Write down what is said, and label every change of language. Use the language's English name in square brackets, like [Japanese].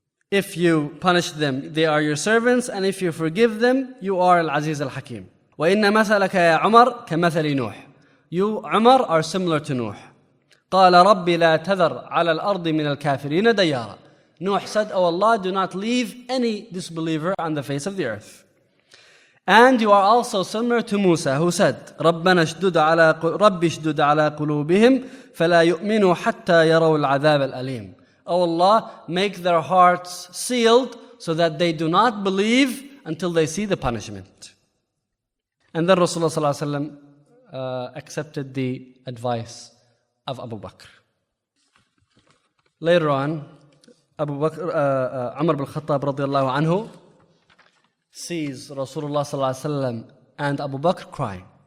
[English] If you punish them, they are your servants, and if you forgive them, you are Al-Aziz Al-Hakim. [Arabic] وَإِنَّ مَثَلَكَ يَا عُمَرْ كَمَثَلِ نُوحِ. [English] You, Umar, are similar to Nuh. [Arabic] قَالَ رَبِّ لَا تَذَرْ عَلَى الْأَرْضِ مِنَ الْكَافِرِينَ دَيَّارًا. [English] Nuh said, O Allah, do not leave any disbeliever on the face of the earth. And you are also similar to Musa, who said, [Arabic] رَبَّنَا اشْدُدَ عَلَىٰ رَبِّ اشْدُدَ عَلَىٰ قُلُوبِهِمْ فَلَا يُؤْمِنُوا حَتَّى يَرَوْا الْعَذَابَ الْأَلِيمِ. [English] O Allah, make their hearts sealed so that they do not believe until they see the punishment. And then Rasulullah sallallahu alayhi wa sallam accepted the advice of Abu Bakr. Later on, Abu Bakr, Umar bin Khattab radiallahu anhu, sees Rasulullah sallallahu alayhi wa sallam and Abu Bakr crying.